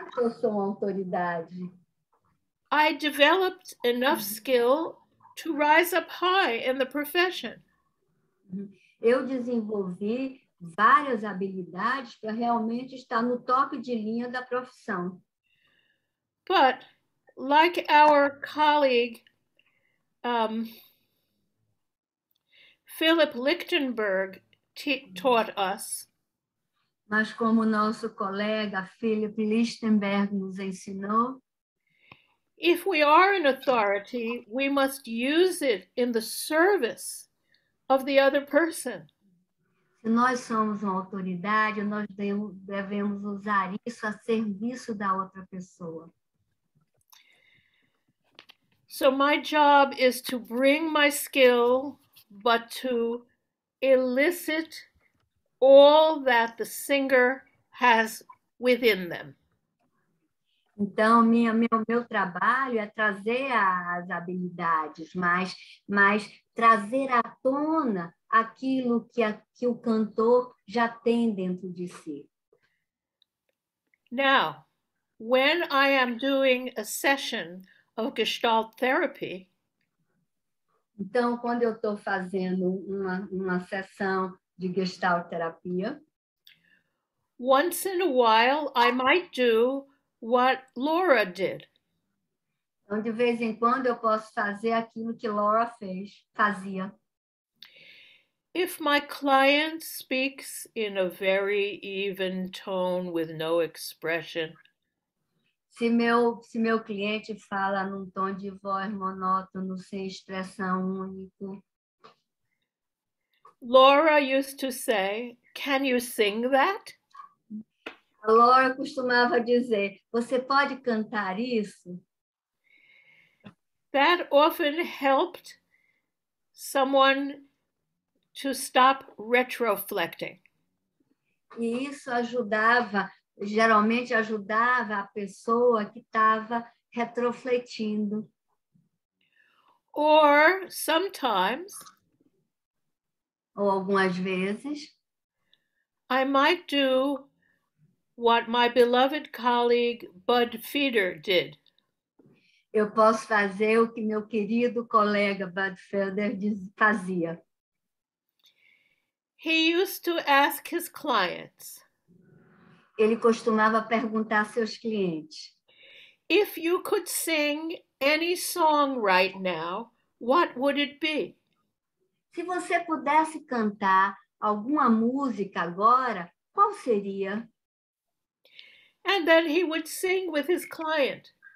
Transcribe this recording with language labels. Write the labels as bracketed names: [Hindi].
[Portuguese] eu sou uma autoridade. [English] I developed enough skill to rise up high in the profession. [Portuguese] Eu desenvolvi várias habilidades para realmente estar no top de linha da profissão. [English] But, like our colleague, Philip Lichtenberg taught us. [Portuguese] Mas como nosso colega Philip Lichtenberg nos ensinou, [English] if we are an authority, we must use it in the service of the other person. [Portuguese] Se nós somos uma autoridade, nós devemos usar isso a serviço da outra pessoa. [English] So my job is to bring my skill, but to elicit all that the singer has within them. [Portuguese] Então, meu trabalho é trazer as habilidades, mas trazer à tona aquilo que o cantor já tem dentro de si. [English] Now, when I am doing a session of Gestalt therapy, [Portuguese] então, quando eu estou fazendo uma sessão de Gestalt terapia, [English] once in a while I might do what Laura did. [Portuguese] Então, de vez em quando eu posso fazer aquilo que Laura fazia. [English] If my client speaks in a very even tone with no expression. [Portuguese] Se meu cliente fala num tom de voz monótono, sem expressão única. [English] Laura used to say, "Can you sing that?" [Portuguese] A Laura costumava dizer, você pode cantar isso? [English] That often helped someone to stop retroflecting. [Portuguese] E isso ajudava, geralmente ajudava a pessoa que estava retrofletindo. [English] Or sometimes, [Portuguese] ou algumas vezes, [English] I might do what my beloved colleague Bud Feder did. [Portuguese] Eu posso fazer o que meu querido colega Bud Feder fazia. [English] He used to ask his clients. [Portuguese] Ele costumava perguntar seus clientes. [English] If you could sing any song right now, what would it be? [Portuguese] Se você pudesse cantar alguma música agora, qual seria? [English] And then he would sing with his client.